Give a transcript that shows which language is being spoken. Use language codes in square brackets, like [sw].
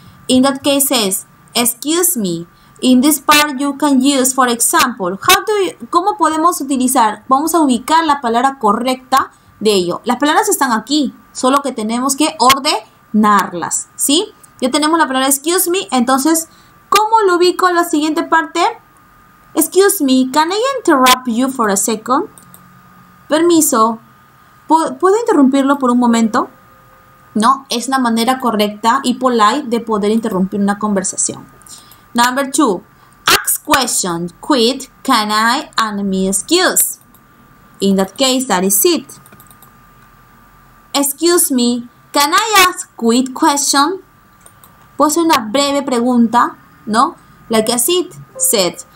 [en] In that case is, excuse me. In this part you can use, for example, how do you, [es] ¿cómo podemos utilizar? Vamos a ubicar la palabra correcta de ello. Las palabras están aquí, solo que tenemos que ordenarlas, ¿sí? Ya tenemos la palabra excuse me, entonces, ¿cómo lo ubico en la siguiente parte? [en] Excuse me, can I interrupt you for a second? [es] Permiso, ¿puedo interrumpirlo por un momento? No, es una manera correcta y polite de poder interrumpir una conversación. [en] Number two, ask question, quit, can I, and me excuse. In that case, that is it. Excuse me, can I ask quit question? [es] Puede ser una breve pregunta, ¿no? [en] Like as it said.